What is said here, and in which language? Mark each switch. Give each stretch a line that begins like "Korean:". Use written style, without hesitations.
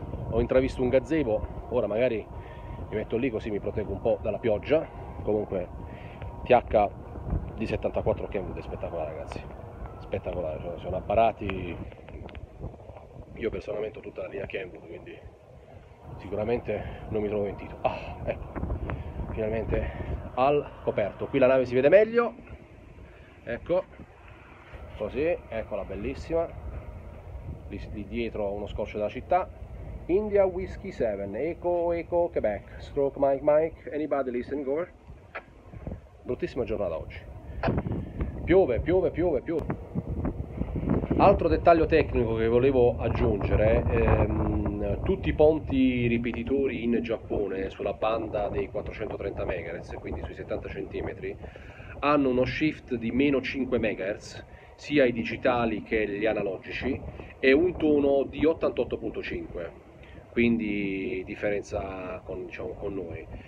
Italian: Ho intravisto un gazebo, ora magari mi metto lì così mi proteggo un po' dalla pioggia. Comunque TH di 74 Kenwood è spettacolare, ragazzi, spettacolare, cioè, sono apparati, io personalmente ho tutta la linea Kenwood, quindi sicuramente non mi trovo mentito. Ah, ecco, finalmente al coperto, qui la nave si vede meglio, ecco, così, eccola bellissima, lì dietro uno scorcio della città.
English: India Whiskey 7 Echo Echo Quebec. Stroke Mike, anybody listening, over.
Italian: Bruttissima giornata oggi. Piove. Altro dettaglio tecnico che volevo aggiungere, tutti i ponti ripetitori in Giappone sulla banda dei 430 MHz, quindi sui 70 cm, hanno uno shift di meno 5 MHz, sia i digitali che gli analogici, e un tono di 88.5, quindi differenza con noi.